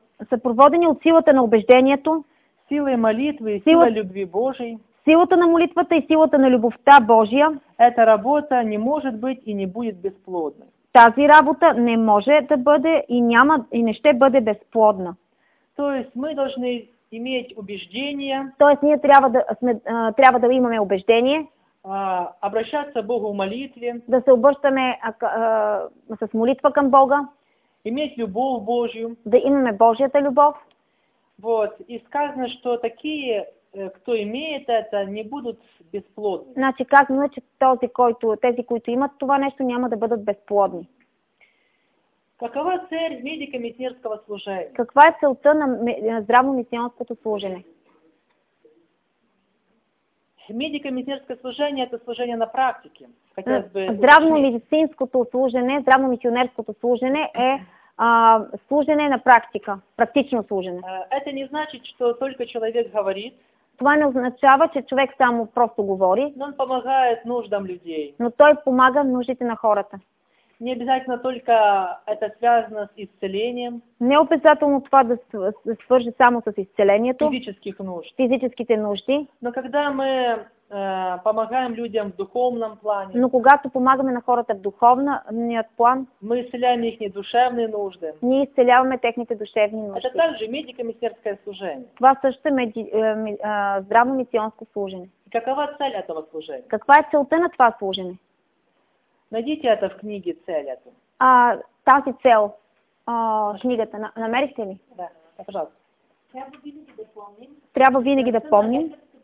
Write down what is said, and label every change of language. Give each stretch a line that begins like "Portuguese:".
Bulgarian: Съпроводени от силата на убеждението,
Russian: силой молитвы и сила любви Божией,
Bulgarian: силата на молитвата и силата на любовта Божия,
Russian: эта работа не может быть и не будет бесплодной.
Bulgarian: Тази работа не може да бъде и няма и не ще бъде безплодна.
Russian: То есть мы должны иметь убеждение.
Bulgarian: То есть ние трябва да имаме убеждение.
Russian: Обращаться к Богу в молитве.
Bulgarian: Да се обръщаме с молитва към Бога.
Russian: Иметь любовь Божью.
Bulgarian: Да имаме Божията любов.
Russian: Вот. И сказано, что такие, кто имеет это, не будут бесплодны.
Bulgarian: Значи казано, че тези, които имат това нещо, няма да бъдат безплодни.
Russian: Какова цель медико-мисионерского служения?
Bulgarian: Каква е целта на здравно-мисионерското служение?
Russian: Медико-мисионерское служение – это служение на практике.
Bulgarian: Здравно-медицинското служение, здравно-мисионерското служение е служение на практика, практично служение.
Russian: Это не значит, что только человек говорит.
Bulgarian: Това не означава, че човек само просто говори.
Russian: Но он помогает нуждам людей.
Bulgarian: Но той помага нуждите на хората.
Russian: Не обязательно только это связано с исцелением.
Bulgarian: Не обязательно това да свържи само с исцелението.
Russian: Физических нужд.
Bulgarian: Физическите нужди.
Russian: Но когда мы помогаем людям в духовном плане.
Bulgarian: Но когато помагаме на хората в духовният план,
Russian: мы исцеляем их не душевные нужды.
Bulgarian: Ние исцеляваме техните душевни нужди.
Russian: Это также медико-мисионерское служение.
Bulgarian: Това също е здравно-мисионско служение.
Russian: Какова цель этого служения?
Bulgarian: Каква е целта на това служение?
Russian: Найдите это в книге цель эту.
Bulgarian: Тази цел в книгата намерихте ли?
Russian: Да, пожалуйста.
Bulgarian: Трябва винаги да помним.